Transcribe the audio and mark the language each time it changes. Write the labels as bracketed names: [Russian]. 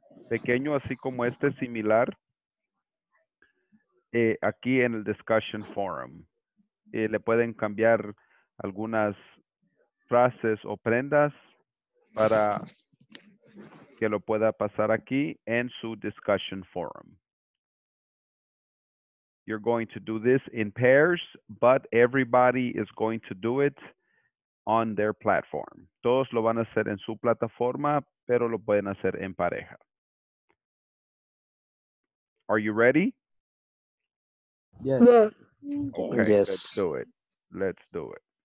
[Spanish] Pequeño, así como este, similar, aquí en el discussion forum. Le pueden cambiar algunas frases o prendas para que lo pueda pasar aquí en su discussion forum. [English] You're going to do this in pairs, but everybody is going to do it on their platform. [Spanish] Todos lo van a hacer en su plataforma, pero lo pueden hacer en pareja. [English] Are you ready? Yes. Okay, yes. Let's do it. Let's do it.